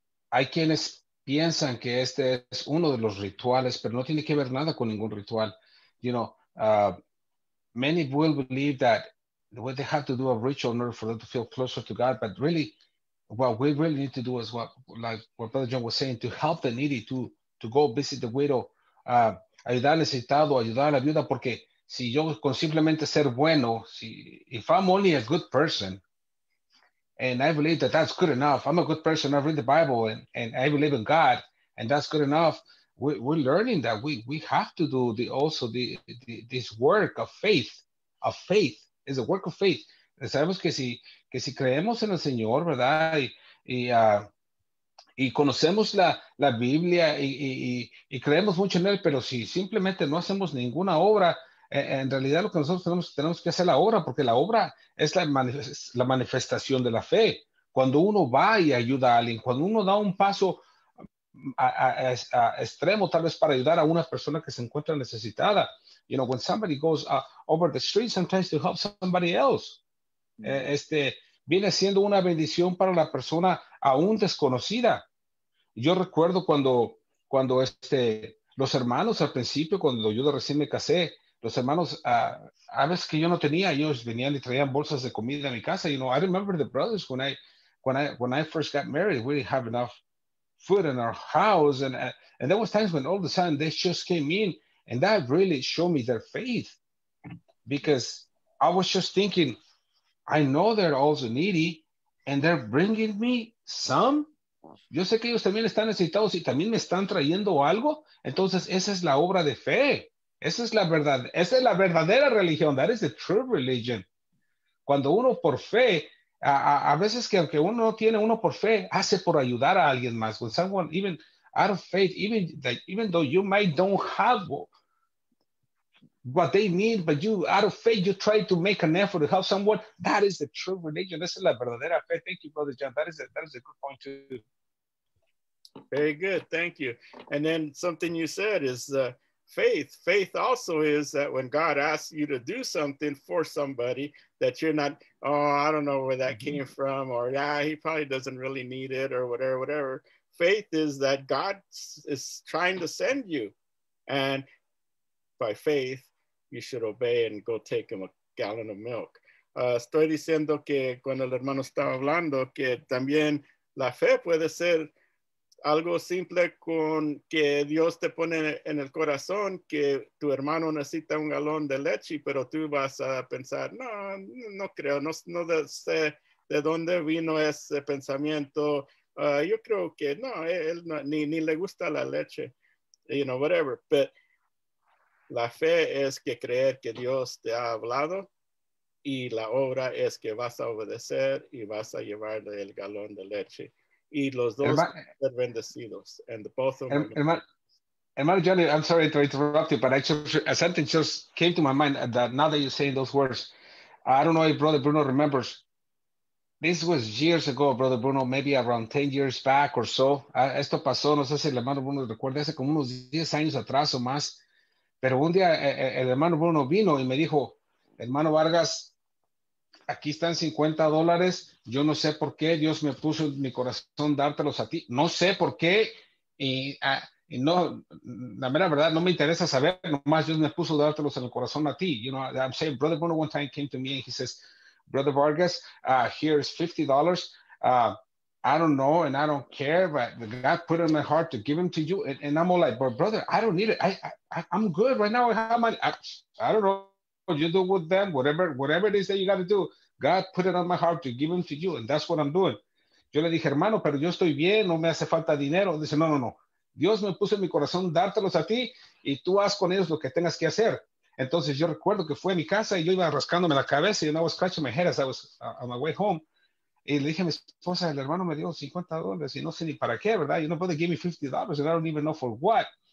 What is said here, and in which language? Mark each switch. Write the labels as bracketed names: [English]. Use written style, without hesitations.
[Spanish] Hay quienes piensan que este es uno de los rituales, pero no tiene que ver nada con ningún ritual. [English] You know, many will believe that they have to do a ritual in order for them to feel closer to God, but really, what we really need to do is what Brother John was saying, to help the needy, to go visit the widow, [Spanish] ayudar al necesitado, ayudar a la viuda, porque si yo con simplemente ser bueno, si, [English] if I'm only a good person, and I believe that that's good enough, I'm a good person, I read the Bible, and I believe in God, and that's good enough, we're learning that we have to do this work of faith. Of faith is a work of faith. [Spanish] Sabemos que si creemos en el Señor, ¿verdad? Y conocemos la Biblia y creemos mucho en Él, pero si simplemente no hacemos ninguna obra, en realidad lo que nosotros tenemos que hacer la obra, porque la obra es la manifestación de la fe. Cuando uno va y ayuda a alguien, cuando uno da un paso a extremo, tal vez para ayudar a una persona que se encuentra necesitada. [English] You know, when somebody goes over the street sometimes to help somebody else, [Spanish] viene siendo una bendición para la persona aún desconocida. Yo recuerdo cuando los hermanos al principio, cuando yo recién me casé, los hermanos, a veces que yo no tenía, ellos venían y traían bolsas de comida a mi casa. [English] You know, I remember the brothers when I first got married, we didn't have enough food in our house. And there was times when all of a sudden they just came in, and that really showed me their faith, because I was just thinking, I know they're also needy, and they're bringing me some. [Spanish] Yo sé que ellos también están necesitados y también me están trayendo algo. Entonces, esa es la obra de fe. Esa es la verdad. Esa es la verdadera religión. [English] That is the true religion. [Spanish] Cuando uno por fe, a veces que aunque uno no tiene, uno por fe hace por ayudar a alguien más. [English] When someone, even out of faith, even though you might don't have what they need, but you, out of faith, you try to make an effort to help someone. That is the true religion. That's [Spanish] la verdadera fe. [English] Thank you, Brother John. That is a good point too. Very good. Thank you. And then something you said is faith. Faith also is that when God asks you to do something for somebody, that you're not, I don't know where that came from, or he probably doesn't really need it, or whatever. Faith is that God is trying to send you, and by faith, you should obey and go take him a gallon of milk. [Spanish] Estoy diciendo que cuando el hermano estaba hablando, que también la fe puede ser algo simple con que Dios te pone en el corazón que tu hermano necesita un galón de leche, pero tú vas a pensar, no creo, no sé de dónde vino ese pensamiento. Yo creo que no, él no, ni le gusta la leche, [English] you know, whatever, [Spanish] but la fe es que creer que Dios te ha hablado, y la obra es que vas a obedecer y vas a llevarle el galón de leche. Y los dos ser bendecidos. [English] And both of them. Hermano Johnny, I'm sorry to interrupt you, but a sentence just came to my mind that now that you're saying those words, I don't know if Brother Bruno remembers. This was years ago, Brother Bruno, maybe around 10 years back or so. [Spanish] Esto pasó, no sé si el hermano Bruno recuerda, hace como unos 10 años atrás o más. Pero un día el hermano Bruno vino y me dijo, hermano Vargas, aquí están $50. Yo no sé por qué Dios me puso en mi corazón dártelos a ti. No sé por qué. Y no, la mera verdad, no me interesa saber. Nomás Dios me puso dártelos en el corazón a ti. [English] You know, I'm saying, Brother Bruno one time came to me and he says, Brother Vargas, here's $50. I don't know and I don't care, but God put it in my heart to give him to you. And I'm all like, but brother, I don't need it. I'm good right now. I have money. I don't know. You do with them, whatever it is that you got to do. God put it on my heart to give him to you. And that's what I'm doing. [Spanish] Yo le dije, hermano, pero yo estoy bien. No me hace falta dinero. Dice, no. Dios me puso en mi corazón dártelos a ti y tú haz con ellos lo que tengas que hacer. Entonces yo recuerdo que fue a mi casa y yo iba rascándome la cabeza y [English] I was scratching my head as I was on my way home. [Spanish] Y le dije a mi esposa, el hermano me dio $50 y no sé ni para qué, ¿verdad? [English] You know, they gave me $50 and I don't even know for what.